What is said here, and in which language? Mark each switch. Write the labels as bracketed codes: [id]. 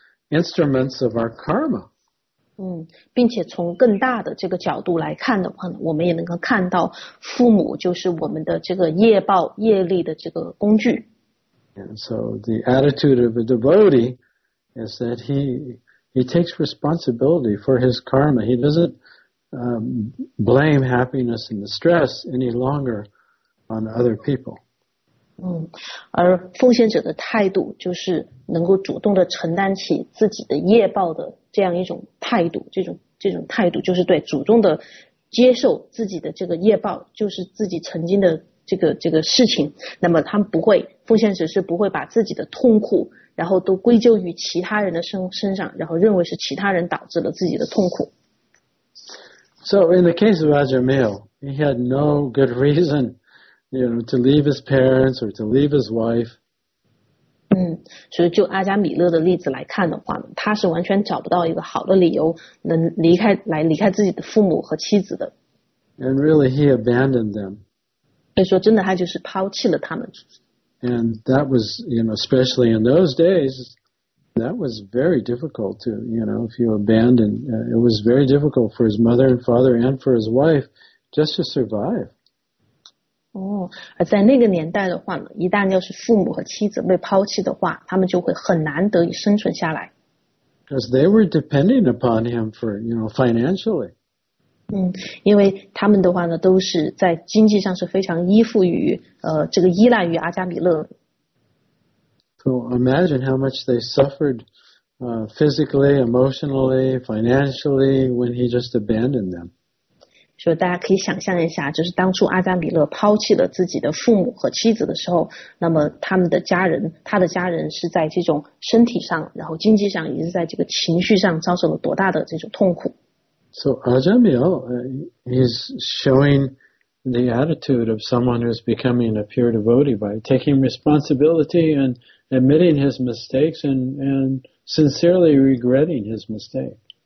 [en] instruments of our karma. [zh] 嗯，并且从更大的这个角度来看的话呢，我们也能够看到父母就是我们的这个业报业力的这个工具。 [en] And so the attitude of a devotee is that he takes responsibility for his karma. He doesn't blame happiness and distress any longer on other people. [zh] 嗯，而奉献者的态度就是能够主动的承担起自己的业报的这样一种态度，这种态度就是对主动的接受自己的这个业报，就是自己曾经的这个事情。那么他们不会，奉献者是不会把自己的痛苦，然后都归咎于其他人的身上，然后认为是其他人导致了自己的痛苦。 [en] So in the case of Ajamil, he had no good reason, to leave his parents or to leave his wife. [zh] 嗯，所以就阿加米勒的例子来看的话呢，他是完全找不到一个好的理由能离开自己的父母和妻子的。 [en] And really, he abandoned them. [zh] 所以说，真的他就是抛弃了他们。 [en] And that was, especially in those days, that was very difficult to, if you abandon, it was very difficult for his mother and father and for his wife just to survive. [zh] 哦，而在那个年代的话呢，一旦要是父母和妻子被抛弃的话，他们就会很难得以生存下来。 [en] Because they were depending upon him for, financially. [zh] 嗯，因为他们的话呢，都是在经济上是非常依附于，这个依赖于阿加米勒。 [en] So imagine how much they suffered, physically, emotionally, financially, when he just abandoned them. [zh] 所以大家可以想象一下，就是当初阿加米勒抛弃了自己的父母和妻子的时候，那么他的家人是在这种身体上，然后经济上，以及在这个情绪上遭受了多大的这种痛苦。 [en] So Ajamil, he's showing the attitude of someone who's becoming a pure devotee by taking responsibility and admitting his mistakes and sincerely regretting his mistake.